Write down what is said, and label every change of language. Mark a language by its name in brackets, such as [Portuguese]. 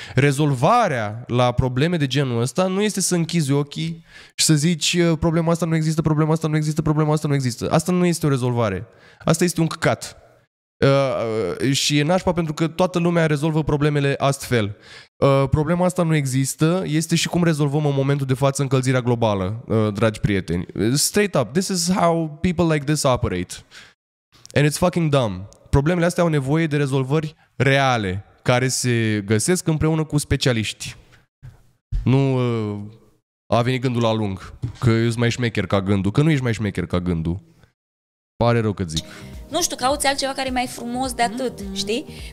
[Romanian] Rezolvarea la probleme de genul ăsta nu este să închizi ochii și să zici problema asta nu există, problema asta nu există, problema asta nu există. Asta nu este o rezolvare. Asta este un căcat. Și e nașpa pentru că toată lumea rezolvă problemele astfel. Problema asta nu există, este și cum rezolvăm în momentul de față încălzirea globală, dragi prieteni. [English] Straight up, this is how people like this operate. And it's fucking dumb. [Romanian] Problemele astea au nevoie de rezolvări reale, care se găsesc împreună cu specialiști. Nu a venit gândul la lung, că eu sunt mai șmecher ca gândul, că nu ești mai șmecher ca gândul. Pare rău că zic. Nu știu, cauți altceva care e mai frumos de atât, știi?